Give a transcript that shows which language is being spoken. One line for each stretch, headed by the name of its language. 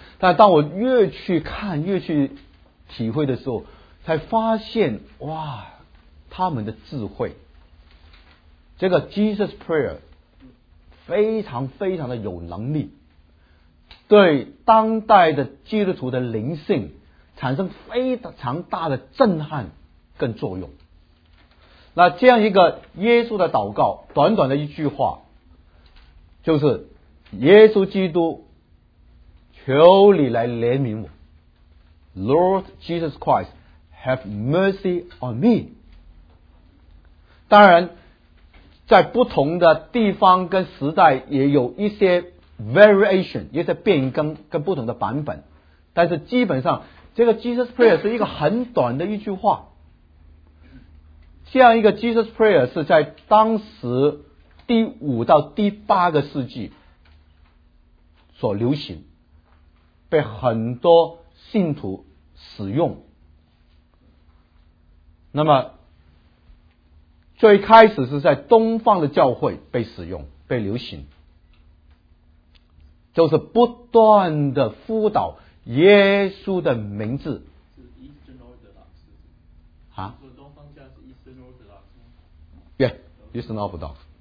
Chinese: 但当我越去看越去体会的时候，才发现哇，他们的智慧，这个 Jesus Prayer 非常非常的有能力，对当代的基督徒的灵性产生非常大的震撼跟作用。那这样一个耶稣的祷告，短短的一句话，就是耶稣基督求你来怜悯我，
English: Lord Jesus Christ, have mercy on me.
Chinese: 当然在不同的地方跟时代也有一些 variation, 一些变更跟不同的版本，但是基本上这个 Jesus Prayer 是一个很短的一句话。这样一个 Jesus Prayer 是在当时第五到第八个世纪所流行，被很多信徒使用。那么最开始是在东方的教会被使用被流行，就是不断的呼祷耶稣的名字。是 Eastern Orthodox、啊、东方教是 Eastern Orthodox、yeah, Eastern Orthodox。